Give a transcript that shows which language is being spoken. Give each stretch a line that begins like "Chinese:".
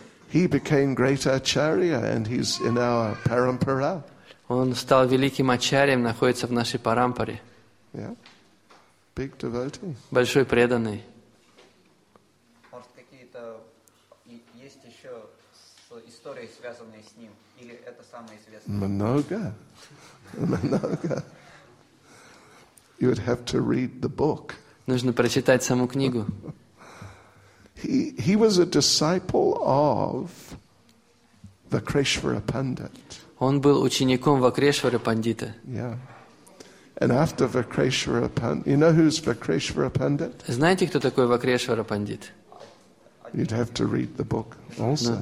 English: He became great acharya, and he's in our parampara.
Russian: Он стал великим ачарьем, находится в нашей парампаре.
English: Yeah. Big devotee.
Russian: Большой преданный. Может, какие-то есть еще истории, связанные с ним, или это самое известное? Много.
English: You would have to read the book.
Russian: Нужно прочитать саму книгу.
English: He was a disciple of Vakreshvara Pandit.
Russian: Он был учеником Вакрешвары Пандита.
English: Yeah. And after Vakreshvara Pandit, you know who's Vakreshvara Pandit?
Russian: Знаете, кто такой Вакрешвара Пандит?
English: You'd have to read the book also.